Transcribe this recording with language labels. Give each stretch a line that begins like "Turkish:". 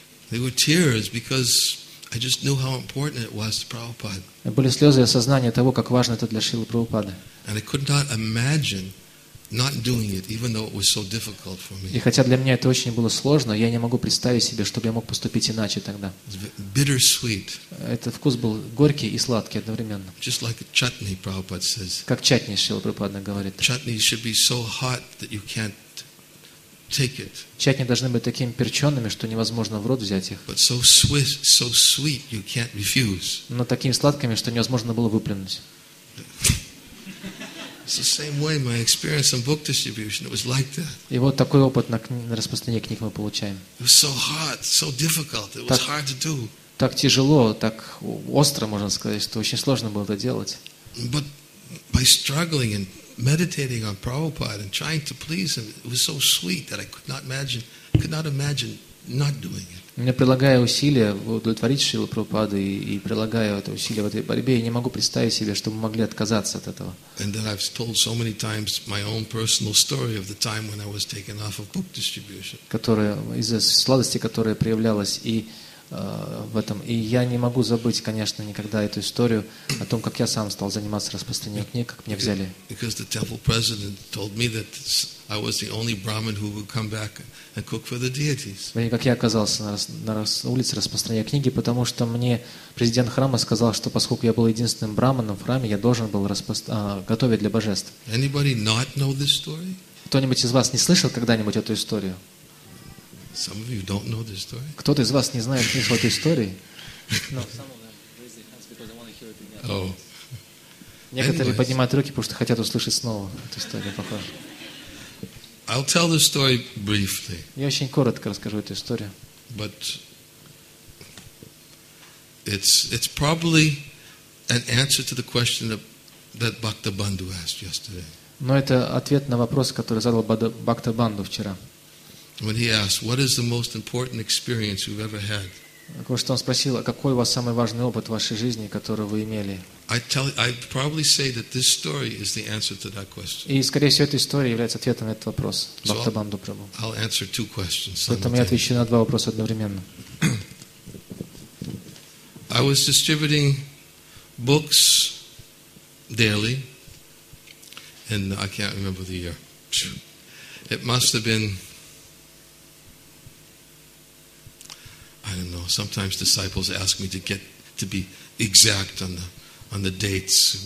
Russian: Это были слезы, потому что
English: I just knew how important it was to Prabhupada.
Russian: Были слезы осознания того, как важно это для Шрилы Прабхупады.
English: And I could not imagine not doing it, even though it was so difficult for me.
Russian: И хотя для меня это очень было сложно, я не могу представить себе, чтобы я мог поступить иначе тогда.
English: Bittersweet.
Russian: Этот вкус был горький и сладкий одновременно.
English: Just like chutney, Prabhupada says.
Russian: Как чатни, Шрила Прабхупада говорит.
English: Chutney should be so hot that you can't take it.
Russian: Чатни должны быть такими перченными, что невозможно в рот взять их.
English: But so sweet you can't refuse.
Russian: Но такими сладкими, что невозможно было выплюнуть.
English: It's the same way my experience in book distribution. It was like that.
Russian: И вот такой опыт на распространение книг мы получаем.
English: It was so hard, so difficult. It was hard to do.
Russian: Так тяжело, так остро, можно сказать, что очень сложно было это делать.
English: But by struggling and meditating on Prabhupada and trying to please him, it was so sweet that I could not imagine not doing it.
Russian: Мне прилагая усилия удовлетворить Шрилу Прабхупаду и прилагая это усилие в этой борьбе, я не могу представить себе, чтобы могли отказаться от этого.
English: And then I've told so many times my own personal story of the time when I was taken off of book distribution.
Russian: Которая из-за сладости, которая проявлялась и в этом. И я не могу забыть, конечно, никогда эту историю о том, как я сам стал заниматься распространением книг, как мне взяли.
English: Because the temple president told me that I was the only Brahmin who would come back and cook for the deities.
Russian: Как я оказался на улице распространения книги, потому что мне президент храма сказал, что поскольку я был единственным Брахманом в храме, я должен был готовить для божеств.
English: Anybody not know this story?
Russian: Кто-нибудь из вас не слышал когда-нибудь эту историю?
English: Some of you don't know this story.
Russian: Кто-то из вас не знает смысл этой истории?
English: No. Some of them raise their hands because they want to hear it again. Oh.
Russian: Некоторые поднимают руки, потому что хотят услышать снова эту историю, похоже.
English: I'll tell the story briefly.
Russian: Я очень коротко расскажу эту историю.
English: But it's probably an answer to the question that Bhakta Bandhu asked yesterday.
Russian: Но это ответ на вопрос, который задал Бхакта Банду вчера.
English: When he asked, "What is the most important experience you've ever had?"
Russian: Что он спросил, какой у вас самый важный опыт в вашей жизни, который вы имели?
English: I probably say that this story is the answer to that question.
Russian: И скорее всего эта история является ответом на этот вопрос. Бхакта Банду Прабху.
English: I'll answer two questions.
Russian: Поэтому я отвечу на два вопроса одновременно.
English: I was distributing books daily, and I can't remember the year. It must have been. I don't know. Sometimes disciples ask me to get to be exact on the dates.